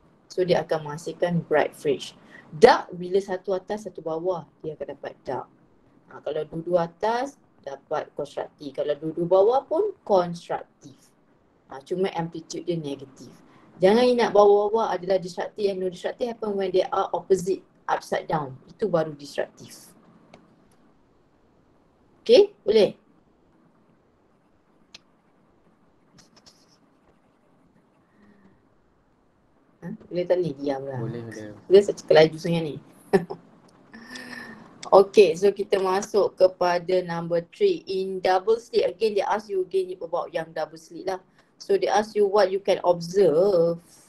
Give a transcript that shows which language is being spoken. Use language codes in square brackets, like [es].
[ms] So dia akan menghasilkan bright fringe. Dark bila satu atas satu bawah, dia akan dapat dark. Kalau dua-dua atas dapat constructive. Kalau dua-dua bawah pun constructive. Cuma amplitude dia negatif. Jangan ingat bawa-bawa adalah destructive. [en] And no destructive happen when they are opposite, upside down. [ms] Itu baru destructive. Okay, boleh? Boleh tak ni? Diam lah. Boleh. Saya cakap laju sangat ni. Okay, so kita masuk kepada number 3. [en] In double slit, again they ask you again about [ms] yang double slit lah. [en] So they ask you what you can observe.